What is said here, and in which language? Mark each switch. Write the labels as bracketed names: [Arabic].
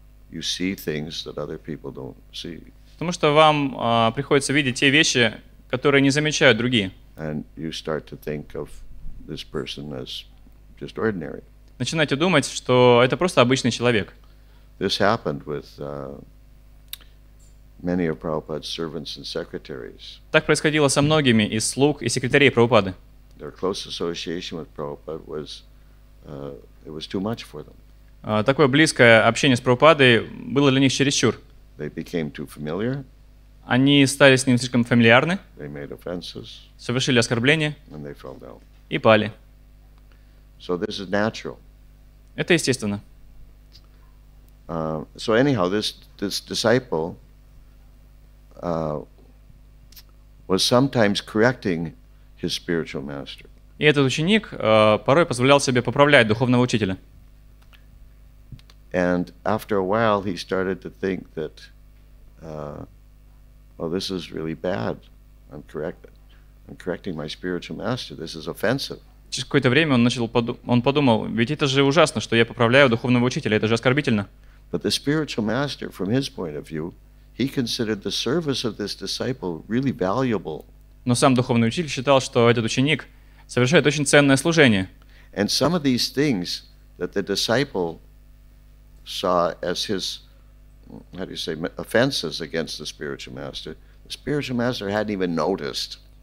[English] You see things that other people don't see. [Russian] Потому что вам приходится видеть те вещи, которые не замечают другие. [English] And you start to think of this person as just ordinary. [Russian] Начинаете думать, что это просто обычный человек. [English] This happened with many of Prabhupada's servants and secretaries. [Russian] Так происходило со многими из слуг и секретарей Прабхупады. [English] Their close association with Prabhupada was it was too much for them. [Russian] Такое близкое общение с Прабхупадой было для них чересчур. [English] They became too familiar. [Russian] Они стали с ним слишком фамильярны. [English] They made offenses, [Russian] совершили оскорбления. [English] And they fell down. [Russian] И пали. [English] So this is natural. [Russian] Это естественно. [English] So anyhow, this disciple was sometimes correcting his spiritual master. [Russian] И этот ученик порой позволял себе поправлять духовного учителя. [English] And after a while, he started to think that, this is really bad. I'm correcting my spiritual master. This is offensive. [Russian] Через какое-то время он подумал, ведь это же ужасно, что я поправляю духовного учителя, это же оскорбительно. [English] But the spiritual master, from his point of view, he considered the service of this disciple really valuable. [Russian] Но сам духовный учитель считал, что этот ученик совершает очень ценное служение. [English] And some of these things that the disciple saw as his, how do you say, offenses against the spiritual master hadn't even noticed.